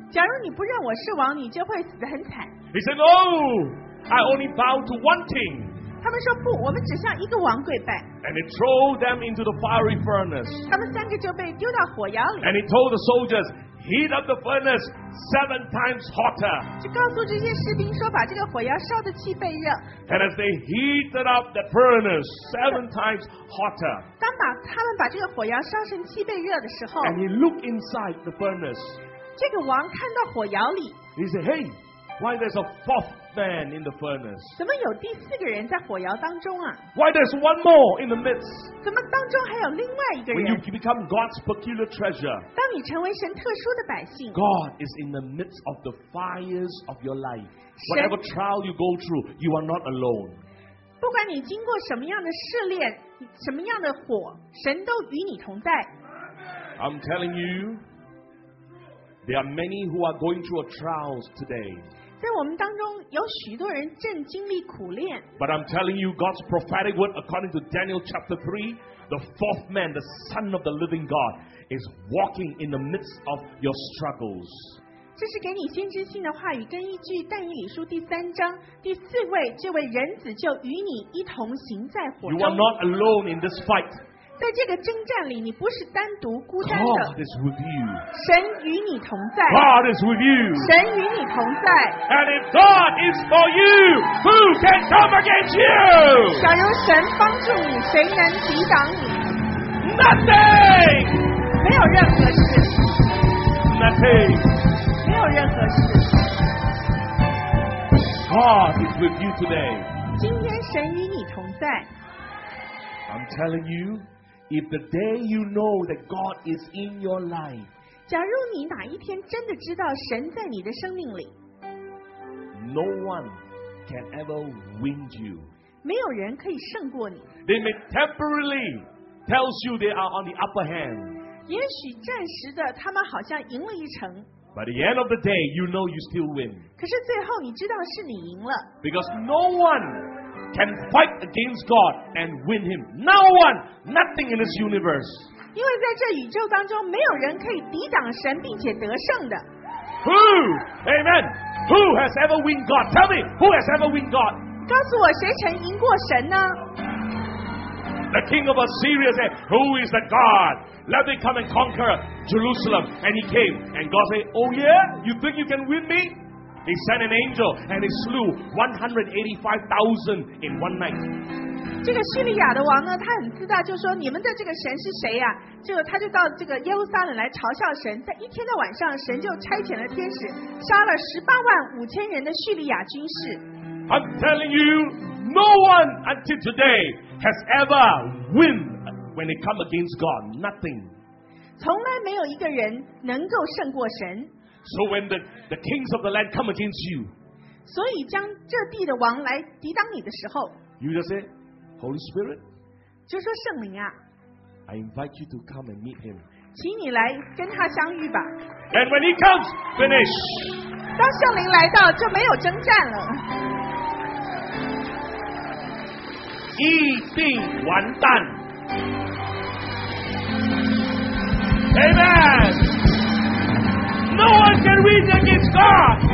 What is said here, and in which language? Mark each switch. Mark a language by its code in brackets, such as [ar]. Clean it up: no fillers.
[zh] 假如你不认我是王，你就会死得很惨。 [en] He said, "No, I only bow to one king." [zh] 他们说不，我们只向一个王跪拜。 [en] And he threw them into the fiery furnace. [zh] 他们三个就被丢到火窑里。 [en] And he told the soldiers. Heat up the furnace 7 times hotter. [zh] 就告诉这些士兵说，把这个火窑烧的气倍热。 [en] And as they heated up the furnace 7 times hotter. [zh] 当把他们把这个火窑烧成气倍热的时候。 [en] And he looked inside the furnace. [zh] 这个王看到火窑里。 [en] He said, "Hey, why there's a fourth man in the furnace?" [zh] 怎么有第四个人在火窑当中啊 [en] ？Why there's one more in the midst? [zh] 怎么当中还有另外一个人 [en] ？When you become God's peculiar treasure, [zh] 当你成为神特殊的百姓 [en] ，God is in the midst of the fires of your life. Whatever trial you go through, you are not alone. [zh] 不管你经过什么样的试炼，什么样的火，神都与你同在。 [en] I'm telling you, there are many who are going through trials today. [zh] 在我们当中有许多人正经历苦练。 [en] But I'm telling you God's prophetic word according to Daniel chapter 3, the fourth man, the son of the living God, is walking in the midst of your struggles. [zh] 这是给你先知性的话语，跟依据但以理书第三章第四位，这位人子就与你一同行在火中。 [en] You are not alone in this fight. [zh] 在这个征战里，你不是单独孤单的。 [en] God is with you. [zh] 神与你同在。 [en] God is with you. [zh] 神与你同在。 [en] And if God is for you, who can come against you? [zh] 假如神帮助你，谁能抵挡你？ [en] Nothing. [zh] 没有任何事。 [en] Nothing. [zh] 没有任何事。 [en] God is with you today. 今天神与你同在。 I'm telling you. If the day you know that God is in your life, [zh] 假如你哪一天真的知道神在你的生命里， [en] no one can ever win you. [zh] 没有人可以胜过你。 [en] They may temporarily tells you they are on the upper hand. [zh] 也许暂时的他们好像赢了一城。 [en] By the end of the day, you know you still win. [zh] 可是最后你知道是你赢了。 [en] Because no one. Can fight against God and win Him. No one, nothing in this universe. [zh] 因为在这宇宙当中，没有人可以抵挡神并且得胜的。 [en] Who, amen. Who has ever win God? Tell me, who has ever win God? [zh] 告诉我谁曾赢过神呢？ [en] The king of Assyria said, "Who is the God? Let me come and conquer Jerusalem." And he came, and God said, "Oh yeah, you think you can win me?" He sent an angel and he slew 185,000 in one night. [zh] 这个叙利亚的王呢，他很自大，就说你们的这个神是谁呀？就他就到这个耶路撒冷来嘲笑神，在一天的晚上，神就差遣了天使，杀了185,000人的叙利亚军士。 [en] I'm telling you, no one until today has ever win when it come against God. Nothing. [zh] 从来没有一个人能够胜过神。 [en] So when the kings of the land come against you, [zh] 所以将这地的王来抵挡你的时候， [en] you just say, Holy Spirit, [zh] 就说圣灵啊， [en] I invite you to come and meet him, [zh] 请你来跟他相遇吧。 [en] And when he comes, finish. [zh] 当圣灵来到，就没有征战了。一定完蛋。 [en] Amen. No one can win against God.